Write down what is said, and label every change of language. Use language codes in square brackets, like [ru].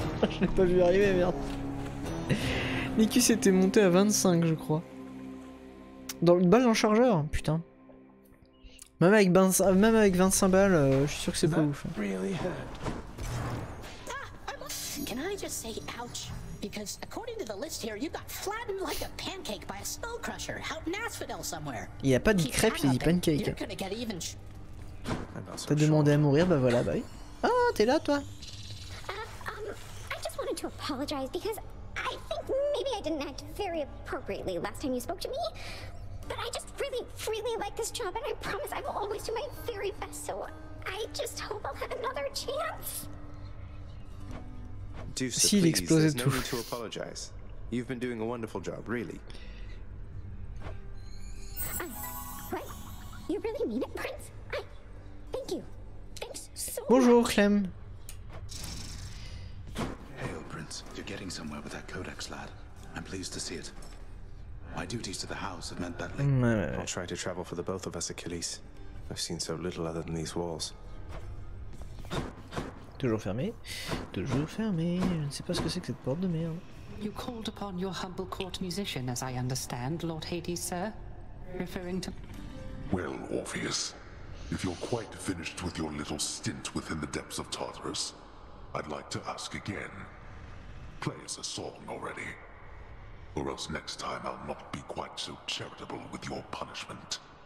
[fr] Je l'ai pas vu arriver, merde. Niku s'était monté à 25, je crois. Dans le balle dans le chargeur, putain. Même avec 25 balles, je suis sûr que c'est pas ouf. [en] Can I just say ouch? Because according to the list here, you got flattened like a pancake by a snow crusher out in Asphodel somewhere. [fr] Il a pas dit crêpe, il dit pancake. T'as demandé à mourir, bah voilà, bye. Ah, t'es là toi. [en] I just wanted to apologize because I think maybe I didn't act very appropriately last time you spoke to me. But I just really, really like this job and I promise I will always do my very best, so I just hope I'll have another chance. [fr] S'il explosait tout. [en] You've been doing a wonderful job, really. What? You really mean it, Prince? Thank you. Thanks so much. [fr] Bonjour, Clem. [en] Hail, Prince. You're getting somewhere with that codex, lad. I'm pleased to see it. My duties to the house have meant that link. I'll try to travel for the both of us, Achilles. I've seen so little other than these walls. [fr] Toujours fermé, je ne sais pas ce que c'est que cette porte de merde. [en] You called upon your humble court musician, as I understand, Lord Hades, sir, referring to... Well, Orpheus, if you're quite finished with your little stint within the depths of Tartarus, I'd like to ask again. Play us a song already, or else next time I'll not be quite so charitable with your punishment.